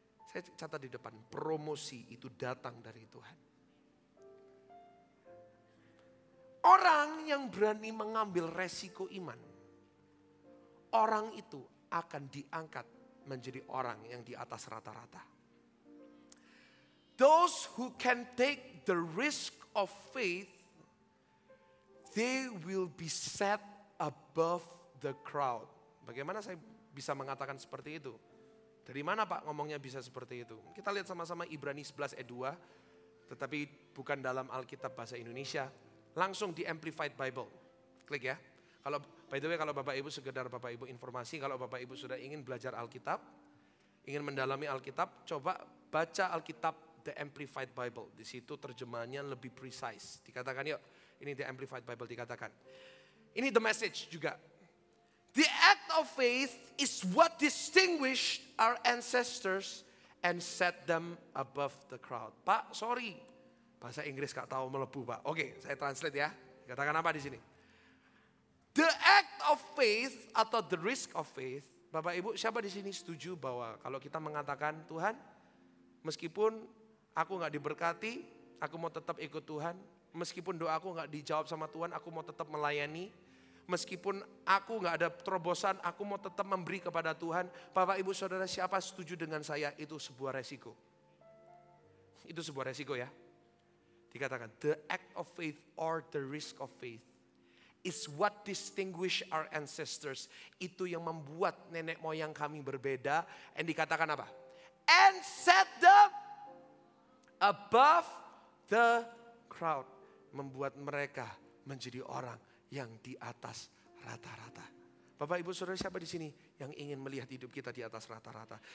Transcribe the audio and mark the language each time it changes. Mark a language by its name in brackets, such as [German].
[Indonesian] Saya catat di depan, promosi itu datang dari Tuhan. Orang yang berani mengambil resiko iman, orang itu akan diangkat menjadi orang yang di atas rata-rata. [English] Those who can take the risk of faith, they will be set above the crowd. [Indonesian] Bagaimana saya bisa mengatakan seperti itu? Dari mana Pak ngomongnya bisa seperti itu? Kita lihat sama-sama Ibrani 11 ayat 2. Tetapi bukan dalam Alkitab bahasa Indonesia. Langsung di Amplified Bible. Klik ya. Kalau By the way, kalau Bapak Ibu sekedar Bapak Ibu informasi, kalau Bapak Ibu sudah ingin belajar Alkitab, ingin mendalami Alkitab, coba baca Alkitab The Amplified Bible. Di situ terjemahannya lebih precise. Dikatakan yuk, ini The Amplified Bible dikatakan. Ini The Message juga. [English] The act of faith is what distinguished our ancestors and set them above the crowd. [Indonesian] Pak, sorry. Bahasa Inggris gak tahu melebu, Pak. Oke, saya translate ya. Dikatakan apa di sini? [English] The act of faith [Indonesian] atau [English] the risk of faith. [Indonesian] Bapak Ibu, siapa di sini setuju bahwa kalau kita mengatakan Tuhan, meskipun aku gak diberkati, aku mau tetap ikut Tuhan. Meskipun doaku gak dijawab sama Tuhan, aku mau tetap melayani. Meskipun aku gak ada terobosan, aku mau tetap memberi kepada Tuhan. Bapak Ibu Saudara, siapa setuju dengan saya itu sebuah resiko? Itu sebuah resiko ya. Dikatakan, [English] the act of faith or the risk of faith is what distinguish our ancestors. [Indonesian] Itu yang membuat nenek moyang kami berbeda. And dikatakan apa? [English] And set them above the crowd. [Indonesian] Membuat mereka menjadi orang yang di atas rata-rata. Bapak, Ibu, Saudara, siapa di sini yang ingin melihat hidup kita di atas rata-rata?